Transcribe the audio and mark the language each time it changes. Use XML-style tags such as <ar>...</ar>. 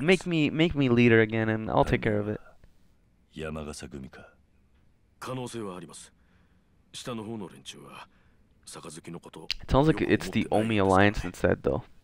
<en>Make me leader again, and I'll take care of it.</en> <ja>可能性はあります。下の方の連中は</ja> <en>It sounds like it's the Omi Alliance instead, though.</en>